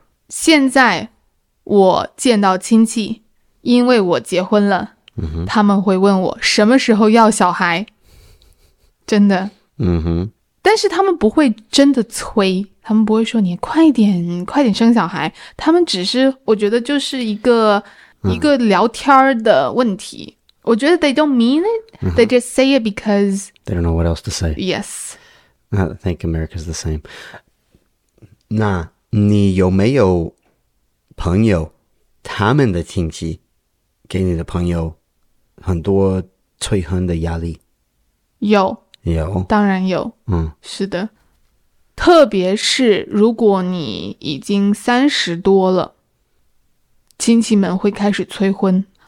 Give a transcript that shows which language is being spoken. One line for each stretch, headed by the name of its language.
Chinese: 现在我见到亲戚，因为我结婚了，他们会问我什么时候要小孩，真的。但是他们不会真的催，他们不会说你快点快点生小孩，他们只是，我觉得就是一个聊天的问题。我觉得
English: they don't mean it, they just say it because they don't know what else to say. Yes. I think America's the same.
Chinese: 那你有没有朋友，他们的亲戚给你的朋友很多催婚的压力？有，当然有。是的，特别是如果你已经30多了，亲戚们会开始催婚。